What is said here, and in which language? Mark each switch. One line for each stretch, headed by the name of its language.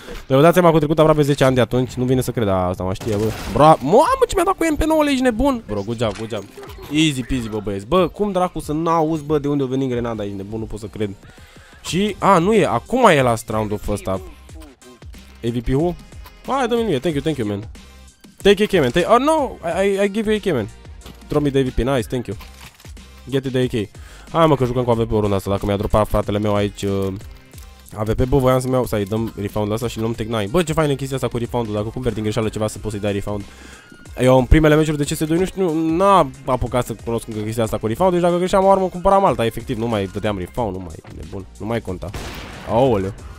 Romanian: Vă dați seama că a trecut aproape 10 ani de atunci, nu vine să cred, asta mă știe, bă. Bro, mamă, ce mi-a dat cu MP9, ești nebun.
English: Bro, good job, good job. Easy peasy,
Romanian: bă, băieți. Bă, cum dracu să n-auzi, bă, de unde a venit grenada, ești nebun, nu pot să cred. Și, a, nu e, acum e la round-ul ăsta.
English: AVP who? Ah,
Romanian: dă-mi mie,
English: thank you, thank you, man. Take AK, man, take... Oh, no, I give you AK, man. Throw me the AVP, nice, thank you. Get it the AK.
Romanian: Hai, mă, că jucăm cu AVP-ul runda asta, dacă mi-a dropat fratele meu aici AVP, bă, voiam să-mi iau, să-i dăm refound-ul ăsta și luăm Tech 9. Bă, ce fain e chestia asta cu refound-ul, dacă cumperi din greșeală ceva să poți să-i dai refound. Eu în primele meciuri de CS2 nu știu, n-a apucat să cunosc încă chestia asta cu refound, deci dacă greșeam o armă, cumpăram alta, efectiv, nu mai dădeam refound, nu mai, nebun, nu mai conta. Aoleu.